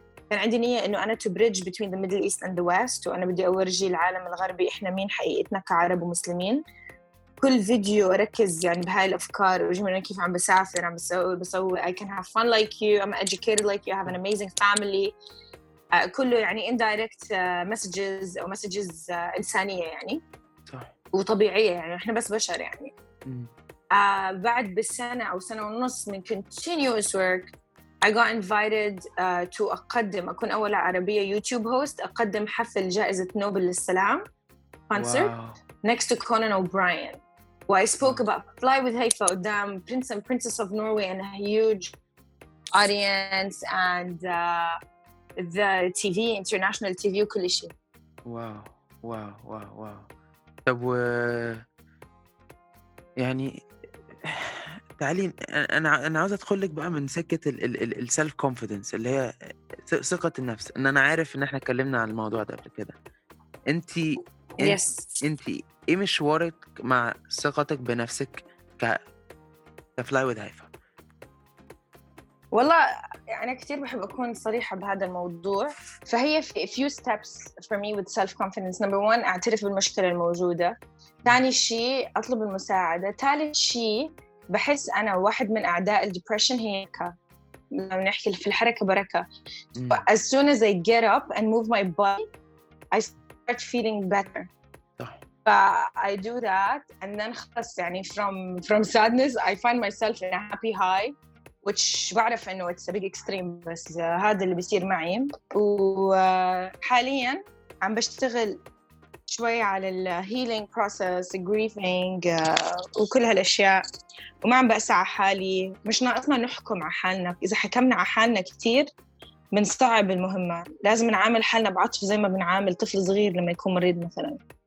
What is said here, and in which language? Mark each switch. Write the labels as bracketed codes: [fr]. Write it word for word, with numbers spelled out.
[ar] كان عندي نية إنه أنا [en] to bridge between the Middle East and the West، [ar] وأنا بدي أورجي العالم الغربي إحنا مين حقيقتنا كعرب ومسلمين. كل فيديو أركز يعني بهاي الأفكار، وجمعنا كيف عم بسافر، عم بسوي بسوي [en] I can have fun like you, I'm educated like you, I have an amazing family. [ar] uh, كله يعني indirect uh, messages أو messages uh, إنسانية يعني صح. وطبيعية يعني إحنا بس بشر يعني. مم. آه بعد بالسنة أو سنة ونص من [en] continuous work I got invited uh, to [ar] أقدم، أكون أول عربية YouTube host أقدم حفل جائزة نوبل للسلام concert واو. [en] next to Conan O'Brien. Well, I spoke about Fly with Haifa Odam, Prince and Princess of Norway, and a huge audience and uh, the T V international T V [ar] وكل شيء. واو واو واو واو. طب و يعني تعالي انا انا عاوز ادخل لك بقى من سكه السيلف كونفيدنس اللي هي ث- ثقه النفس، ان انا عارف ان احنا اتكلمنا عن الموضوع ده قبل كده. انت انت [en] Yes. [ar] انت ايه مشوارك مع ثقتك بنفسك ك كفلاي وذ هيفا؟ والله أنا كتير بحب أكون صريحة بهذا الموضوع، فهي في [en] few steps for me with self-confidence. Number one، [ar] أعترف بالمشكلة الموجودة. ثاني شيء، أطلب المساعدة. ثالث شيء، بحس أنا واحد من أعداء الdepression هي الحركة. لما نحكي في الحركة بركة. مم. [en] But as soon as I get up and move my body, I start feeling better. [ar] صح. [en] But I do that, and then [ar] خلص يعني [en] from from sadness, I find myself in a happy high, which [ar] بعرف إنه [en] it's a big extreme، [ar] بس آه، هذا اللي بيصير معي. وحاليا عم بشتغل شوي على ال [en] healing process, grieving [ar] آه، وكل هالأشياء، وما عم بأسع على حالي. مش ناقصنا نحكم على حالنا، إذا حكمنا على حالنا كتير بنصعب المهمة. لازم نعامل حالنا بعطف زي ما بنعامل طفل صغير لما يكون مريض مثلا.